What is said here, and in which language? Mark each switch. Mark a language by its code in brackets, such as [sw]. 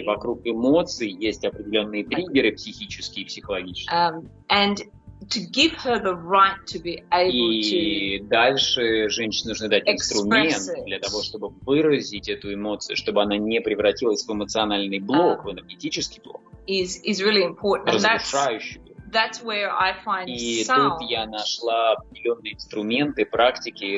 [ru] И вокруг эмоций есть определенные триггеры психические и психологические. [en] And to give her the right to be able [ru] и дальше женщине нужно дать инструмент для того, чтобы выразить эту эмоцию, чтобы она не превратилась в эмоциональный блок, в энергетический блок. [en] Is really important. [ru] Разрушающий. [en] That's where I find [ru] и тут я нашла определенные инструменты, практики,